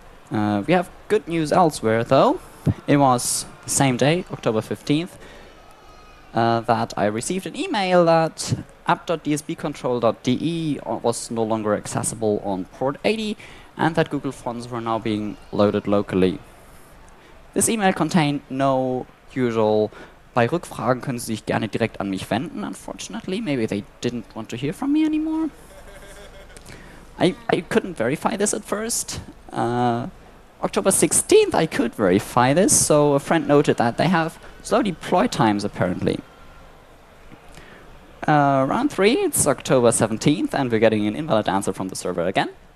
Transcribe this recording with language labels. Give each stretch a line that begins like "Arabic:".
English: We have good news elsewhere, though. It was the same day, October 15th, that I received an email that app.dsbcontrol.de was no longer accessible on port 80, and that Google Fonts were now being loaded locally. This email contained no usual
German: "bei Rückfragen können Sie sich gerne direkt an mich wenden,"
English: unfortunately. Maybe they didn't want to hear from me anymore. I couldn't verify this at first. October 16th, I could verify this, so a friend noted that they have slow deploy times, apparently. Round 3, it's October 17th, and we're getting an invalid answer from the server again.